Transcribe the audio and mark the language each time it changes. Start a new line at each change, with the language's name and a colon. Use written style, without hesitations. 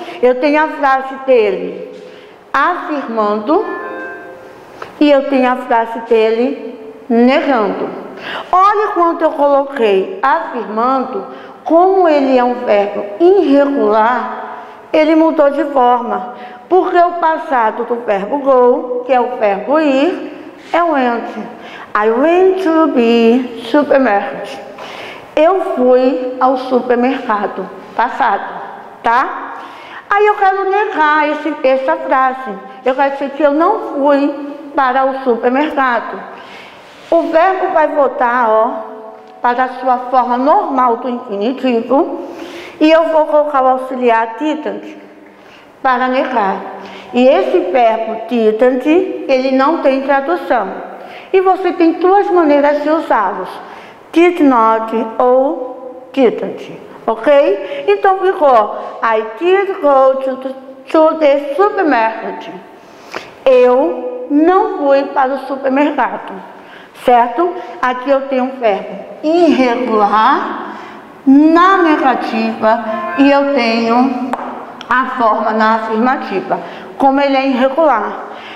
Portuguese: Eu tenho a frase dele afirmando e eu tenho a frase dele negando. Olha quando eu coloquei afirmando, como ele é um verbo irregular, ele mudou de forma. Porque o passado do verbo go, que é o verbo ir, é o went.
English: I went to the supermarket.
Portuguese: Eu fui ao supermercado passado, tá? Aí eu quero negar essa frase. Eu quero dizer que eu não fui para o supermercado. O verbo vai voltar, ó, para a sua forma normal do infinitivo. E eu vou colocar o auxiliar didn't para negar. E esse verbo didn't, ele não tem tradução. E você tem duas maneiras de usá-los.
English: Did not ou didn't, ok?
Portuguese: Então ficou,
English: I did go to the supermarket.
Portuguese: Eu não fui para o supermercado, certo? Aqui eu tenho um verbo irregular, na negativa, e eu tenho a forma na afirmativa, como ele é irregular.